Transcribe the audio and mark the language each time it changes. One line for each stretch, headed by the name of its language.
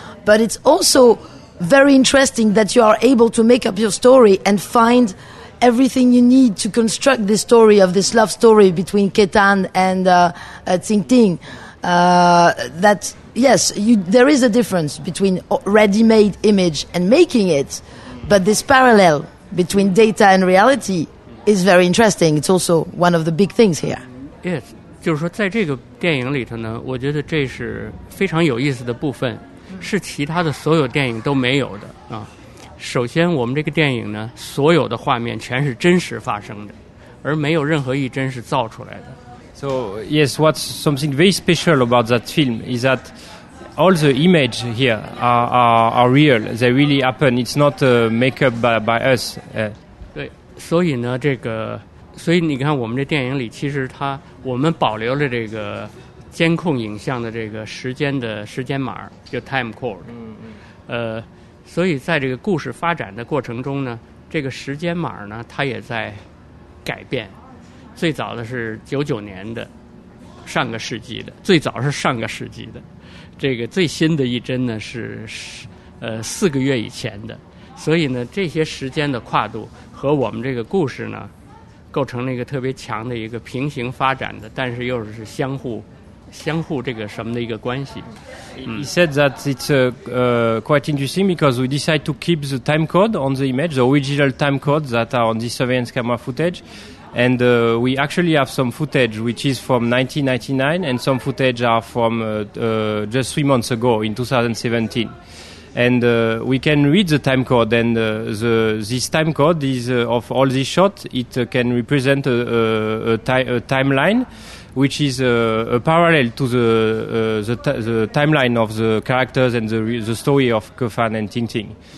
English: But it's also very interesting that you are able to make up your story and findeverything you need to construct this story of this love story between Ketan and Ting Ting. That, yes, there is a difference between ready-made image and making it, but this parallel between data and reality is very interesting. It's also one of the big things here.
Chinese: Yes, 就是说在这个电影里头呢，我觉得这是非常有意思的部分，是其他的所有电影都没有的啊。首先我们这个电影呢所有的画面全是真实发生的而没有任何一帧是造出来的
English: So yes, what's something very special about that film is that all the image here are real, they really happen, it's not makeup by us、
Chinese: 对所以呢这个所以你看我们这电影里其实它我们保留了这个监控影像的这个时间码就 time code、 mm-hmm. 所以在这个故事发展的过程中呢这个时间码呢它也在改变最早的是99年的上个世纪的最早是上个世纪的这个最新的一帧呢是4个月以前的所以呢这些时间的跨度和我们这个故事呢构成了一个特别强的一个平行发展的但是又是相互这个什么的一个关系
English: He said that it's quite interesting because we decide to keep the time code on the image, the original time code that are on the surveillance camera footage and we actually have some footage which is from 1999 and some footage are from just 3 months ago in 2017 and we can read the time code and this time code is of all these shots it can represent a timeline which is a parallel to the timeline of the characters and the story of Kefan and Ting Ting.